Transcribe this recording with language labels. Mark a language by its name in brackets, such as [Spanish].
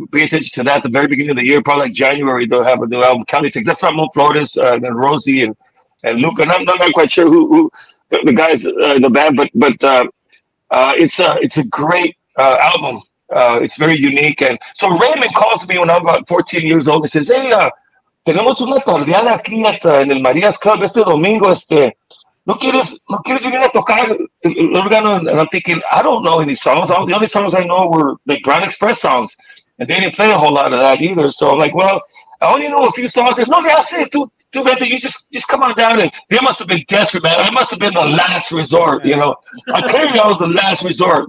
[English] Pay attention to that. The very beginning of the year, probably like January, they'll have a new album. Calitex. That's from Flores and Rosie and Luca. And I'm not quite sure who the guys in the band, but it's a great album. It's very unique. And so Raymond calls me when I'm about 14 years old and says, "Hey, [Spanish] Tenemos una tardeada aquí hasta en el Marías Club este domingo. ¿No quieres venir a tocar el órgano? [English] And I'm thinking, I don't know any songs. The only songs I know were the Grand Express songs. And they didn't play a whole lot of that either. So I'm like, well, I only know a few songs. If no, they say too bad, you just come on down. And they must have been desperate, man. I must have been the last resort, you know. Clearly, I was the last resort.